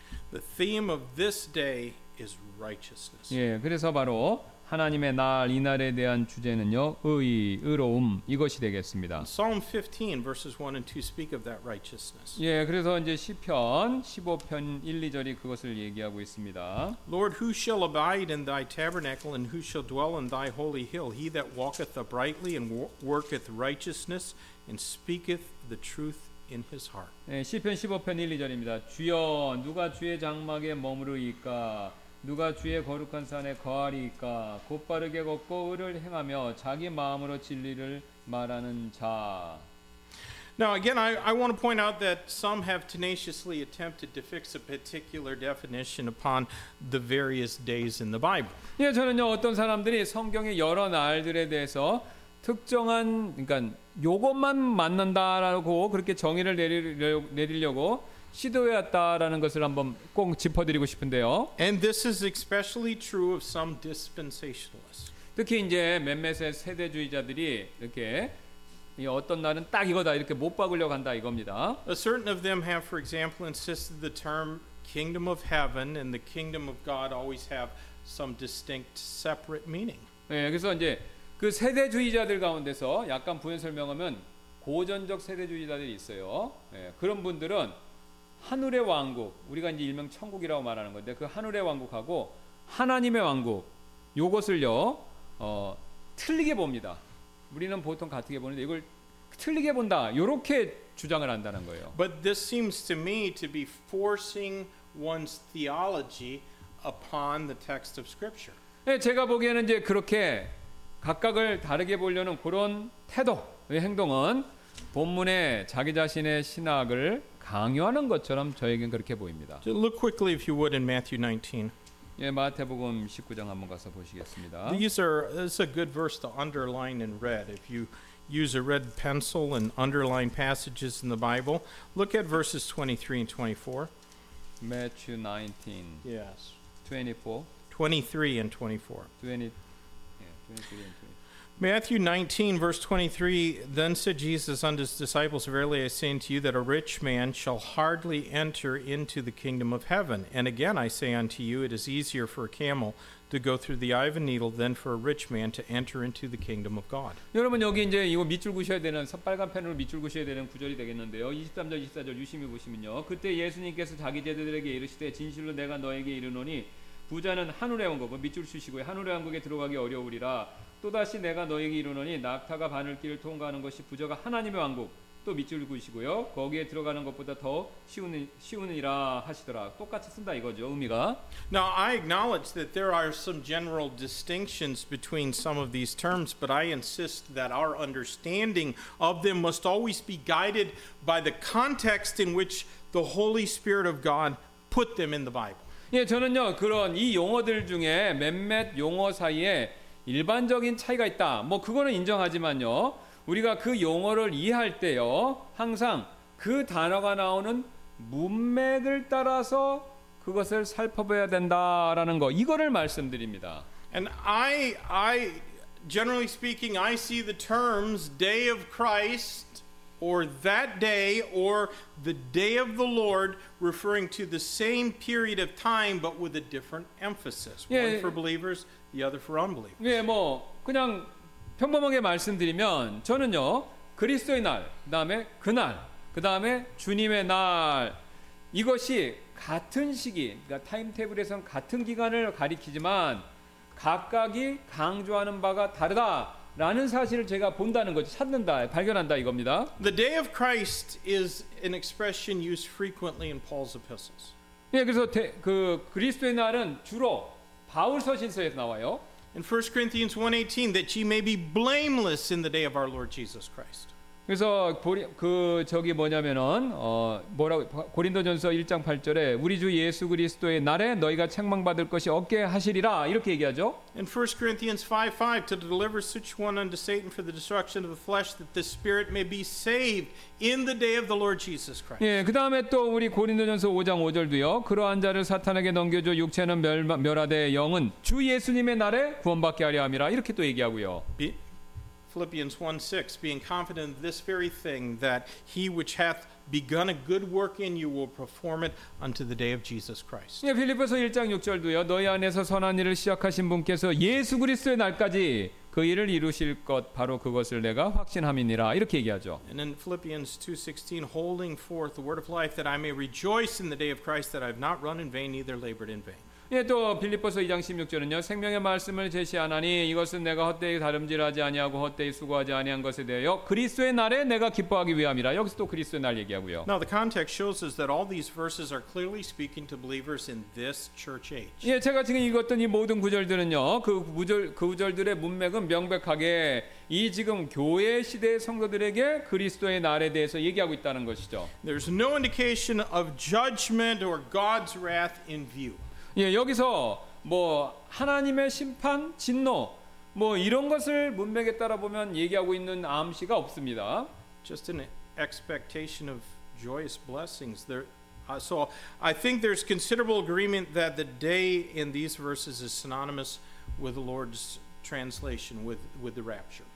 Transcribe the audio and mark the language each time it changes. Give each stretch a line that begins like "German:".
English: The theme of this day is righteousness.
Korean: 예, 그래서 바로 하나님의 날 이 날에 대한 주제는요. 의, 의로움 이것이 되겠습니다.
English: Psalm 15 verses 1 and 2 speak of that righteousness.
Korean: 예, 그래서 이제 시편 15편 1, 2절이 그것을 얘기하고 있습니다.
English: Lord, who shall abide in thy tabernacle and who shall dwell in thy holy hill? He that walketh uprightly and worketh righteousness and speaketh the truth in his heart.
Korean: 예, 시편 15편 1, 2절입니다. 주여, 누가 주의 장막에 머무르이까? 누가 주의 거룩한 산에 거하리이까 곧바르게 걷고 의를 행하며 자기 마음으로 진리를 말하는 자.
English: Now again, I want to point out that some have tenaciously attempted to fix a particular definition upon the various days in the Bible.
Korean: 예, 저는요 어떤 사람들이 성경의 여러 날들에 대해서 특정한 그러니까 요것만 맞는다라고 그렇게 정의를 내리려고. 시도했다라는 것을 한번 꼭 짚어드리고 싶은데요.
English: And this is especially true of some dispensationalists.
Korean: 특히 이제 몇몇의 세대주의자들이 이렇게 어떤 날은 딱 이거다 이렇게 못 박으려고 한다 이겁니다.
English: A certain of them have, for example, insisted the term kingdom of heaven and the kingdom of God always have some distinct, separate meaning.
Korean: 네, 그래서 이제 그 세대주의자들 가운데서 약간 부연 설명하면 고전적 세대주의자들이 있어요. 네, 그런 분들은 하늘의 왕국, 우리가 이제 일명 천국이라고 말하는 건데 그 하늘의 왕국하고 하나님의 왕국 요것을요 틀리게 봅니다. 우리는 보통 같게 보는데 이걸 틀리게 본다. 요렇게 주장을 한다는 거예요.
English: But this seems to me to be forcing one's theology upon the text of Scripture.
Korean: 네, 제가 보기에는 이제 그렇게 각각을 다르게 보려는 그런 태도, 행동은 본문에 자기 자신의 신학을 강요하는 것처럼 저에겐 그렇게 보입니다.
English: So look quickly, if you would, in Matthew 19.
Korean: 예, 마태복음 19장 한번 가서 보시겠습니다.
English: These are, this is a good verse to underline in red. If you use a red pencil and underline passages in the Bible, look at verses 23 and 24. Matthew 19. Yes. 24. 23 and 24. 23 and 24. Matthew 19, verse 23, then said Jesus unto his disciples, Verily I say unto you that a rich man shall hardly enter into the kingdom of heaven. And again I say unto you, it is easier for a camel to go through the eye of a needle than for a rich man to enter into the kingdom of God.
Korean: 여러분 여기 이제 이거 밑줄 그으셔야 되는 빨간 펜으로 밑줄 그으셔야 되는 구절이 되겠는데요. 23절 24절 유심히 보시면요. 그때 예수님께서 자기 제자들에게 이르시되 진실로 내가 너에게 이르노니 부자는 하늘에 온 거고 밑줄 주시고 하늘의 왕국에 들어가기 어려우리라 또다시 내가 너에게 이르노니 낙타가 바늘길을 통과하는 것이 부자가 하나님의 왕국 또 밑줄 그으시고요 거기에 들어가는 것보다 더 쉬우니라 하시더라 똑같이 쓴다 이거죠 의미가
English: Now I acknowledge that there are some general distinctions between some of these terms but I insist that our understanding of them must always be guided by the context in which the Holy Spirit of God put them in the Bible
Korean: 예, 저는요 그런 이 용어들 중에 몇몇 용어 사이에 일반적인 차이가 있다. 뭐 그거는 인정하지만요 우리가 그 용어를 이해할 때요 항상 그 단어가 나오는 문맥을 따라서 그것을 살펴봐야 된다라는 거 이거를 말씀드립니다.
English: And I generally speaking, I see the terms day of Christ. Or that day, or the day of the Lord, referring to the same period of time, but with a different emphasis. One
Korean: 예,
English: for believers, the other for unbelievers.
Korean: 예, 뭐 그냥 평범하게 말씀드리면 저는요 그리스도의 날, 그다음에 그날, 그다음에 주님의 날 이것이 같은 시기, 그러니까 타임테이블에선 같은 기간을 가리키지만 각각이 강조하는 바가 다르다. 라는 사실을 제가 본다는 거지 찾는다 발견한다 이겁니다.
English: The day of Christ is an expression used frequently in Paul's epistles.
Korean: 예, 그래서 그 그리스도의 날은 주로 바울 서신서에서 나와요.
English: In 1 Corinthians 1:18 that ye may be blameless in the day of our Lord Jesus Christ.
Korean: 그래서 그 저기 뭐냐면은 뭐라고 고린도전서 1장 8절에 우리 주 예수 그리스도의 날에 너희가 책망받을 것이 없게 하시리라 이렇게 얘기하죠.
English: In 1 Corinthians 5:5 to deliver such one unto Satan for the destruction of the flesh that the spirit may be saved in the day of the Lord Jesus Christ.
Korean: 예, 그다음에 또 우리 고린도전서 5장 5절도요. 그러한 자를 사탄에게 넘겨 줘 육체는 멸하되 영은 주 예수님의 날에 구원받게 하려 함이라 이렇게 또 얘기하고요.
English: Philippians 1:6 being confident of this very thing that he which hath begun a good work in you will perform it unto the day of Jesus Christ.
Korean: 예, 빌립보서 1장 6절도요. 너희 안에서 선한 일을 시작하신 분께서 예수 그리스도의 날까지 그 일을 이루실 것 바로 그것을 내가 확신함이니라 이렇게 얘기하죠.
English: And in Philippians 2:16 holding forth the word of life that I may rejoice in the day of Christ that I have not run in vain neither labored in vain.
Korean: 예, 또 빌립보서 2장 16절은요 생명의 말씀을 제시하나니 이것은 내가 헛되이 다름질하지 아니하고 헛되이 수고하지 아니한 것에 대하여 그리스도의 날에 내가 기뻐하기 위함이라 여기서 또 그리스도의 날 얘기하고요
English: Now the context shows us that all these verses are clearly speaking to believers in this church age
Korean: 예, 제가 지금 읽었던 이 모든 구절들은요 그 구절들의 문맥은 명백하게 이 지금 교회 시대의 성도들에게 그리스도의 날에 대해서 얘기하고 있다는 것이죠
English: There's no indication of judgment or God's wrath in view
Korean: 예, 여기서 뭐 하나님의 심판, 진노 뭐 이런 것을 문맥에 따라 보면 얘기하고 있는 암시가 없습니다.
English: Just an expectation of joyous blessings. So I think there's considerable agreement that the day in these verses is synonymous with the Lord's translation with the rapture.